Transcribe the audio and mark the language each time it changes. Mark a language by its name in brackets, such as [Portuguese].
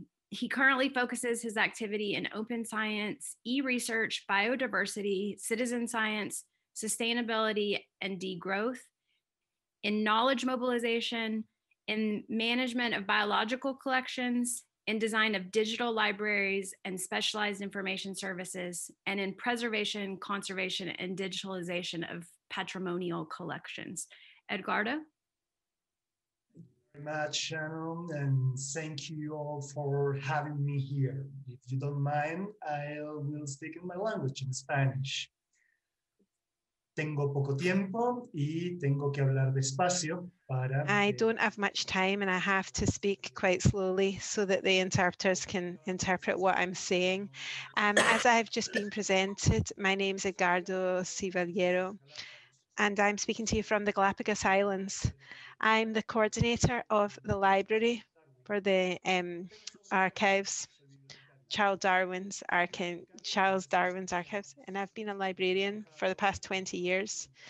[English] He currently focuses his activity in open science, e-research, biodiversity, citizen science, sustainability, and degrowth, in knowledge mobilization, in management of biological collections, in design of digital libraries and specialized information services, and in preservation, conservation, and digitalization of patrimonial collections. Edgardo? Thank you very much, Shannon, and thank you all for having me here. If you don't mind, I will speak in my language, in Spanish. [Spanish] Tengo poco tiempo y tengo que hablar despacio. [English] I don't have much time and I have to speak quite slowly so that the interpreters can interpret what I'm saying. As I've just been presented, my name is Edgardo Civiero and I'm speaking to you from the Galapagos Islands. I'm the coordinator of the library for the archives, Charles Darwin's archives, and I've been a librarian for the past 20 years.